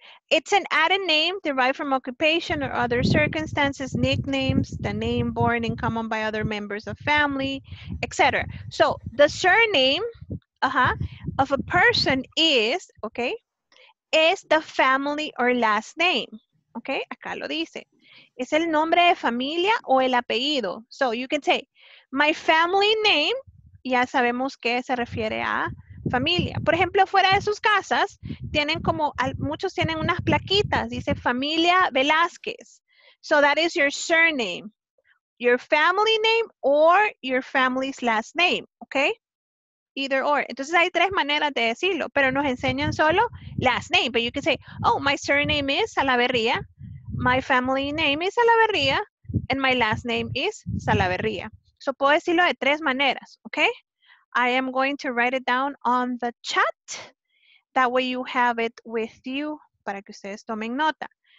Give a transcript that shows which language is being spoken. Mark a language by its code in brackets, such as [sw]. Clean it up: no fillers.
[en] It's an added name derived from occupation or other circumstances, nicknames, the name borne in common by other members of family, etc. So the surname of a person is, okay, is the family or last name. [es] Okay, acá lo dice. Es el nombre de familia o el apellido. [en] So you can say, my family name, [es] ya sabemos que se refiere a familia. Por ejemplo, fuera de sus casas, tienen como, muchos tienen unas plaquitas, dice familia Velázquez. [en] So that is your surname, your family name or your family's last name, okay? Either or. [es] Entonces hay tres maneras de decirlo, pero nos enseñan solo last name. [en] But you can say, oh, my surname is Salaverría, my family name is Salaverría, and my last name is Salaverría. So [es] puedo decirlo de tres maneras, [en] okay? I am going to write it down on the chat. That way you have it with you [es] para que ustedes tomen nota.